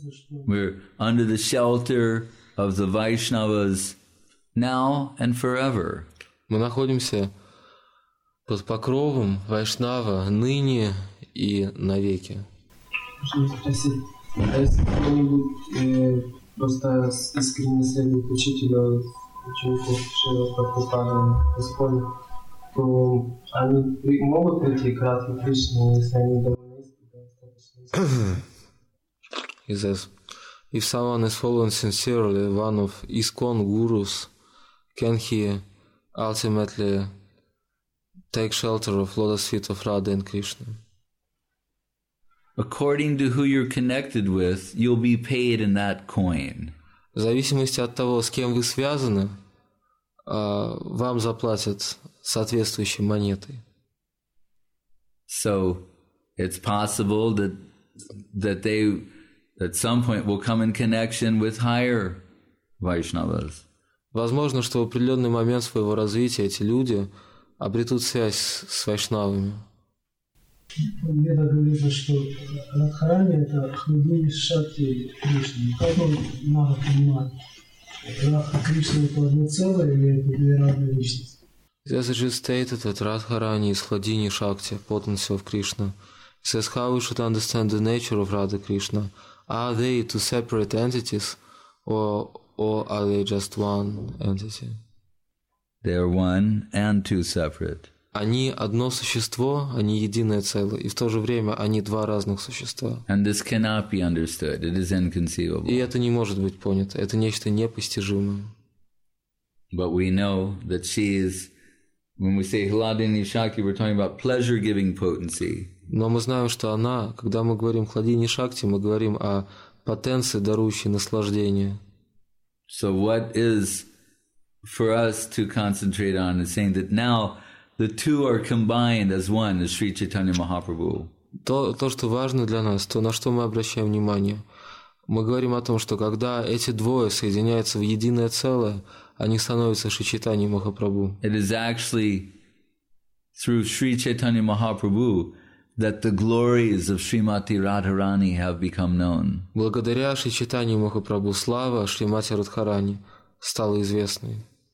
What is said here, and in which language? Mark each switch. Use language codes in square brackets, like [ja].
[en] We're under the shelter of the Vaishnavas now and forever. [ru] Мы находимся под покровом Вайшнава ныне и навеки. Спросить, а если кто-нибудь просто искренне следует учителю, ученику Шрила Прабхупады, Господь, то они могут прийти к Радхе Кришне, если они довольны искренне? [en] He says, if someone is following sincerely one of ISKCON gurus, can he ultimately take shelter of lotus feet of Radha and Krishna? According to who you're connected with, you'll be paid in that coin. [ru] В зависимости от того, с кем вы связаны, вам заплатят соответствующей монетой. [en] So, it's possible that they at some point will come in connection with higher Vaishnavas. [ru] Возможно, что в определенный момент своего развития эти люди обретут связь с вайшнавами. Веда говорит, что Радхарани это Хрудини Шакти Кришны. Как он может понимать, Радха Кришна это одно целое или это две разные личности? [en] It is just stated that Радхарани is Хрудини Шакти, potency of Krishna. It says, how we should understand the nature of Radha Krishna? Are they two separate entities or are they just one entity? They are one and two separate. [ru] Они одно существо, они единое целое, и в то же время они два разных существа. [en] And this cannot be understood. It is inconceivable. [ru] И это не может быть понято. Это нечто непостижимое. [en] But we know that she is. When we say Hladini Shakti, we're talking about pleasure-giving potency. [ru] Но мы знаем, что она, когда мы говорим Хладини Шакти, мы говорим о потенции, дарующей наслаждение. [en] So what is for us to concentrate on is saying that now the two are combined as one, as Sri Chaitanya Mahaprabhu. [ru] То, что важно для нас, то, на что мы обращаем внимание, мы говорим о том, что когда эти двое соединяются в единое целое, они становятся Шри Чайтанья Махапрабху. [en] It is actually through Sri Chaitanya Mahaprabhu that the glories of Srimati Radharani have become known. [ru] Благодаря Шри Чайтанья Махапрабху слава Шримати Радхарани стало известной.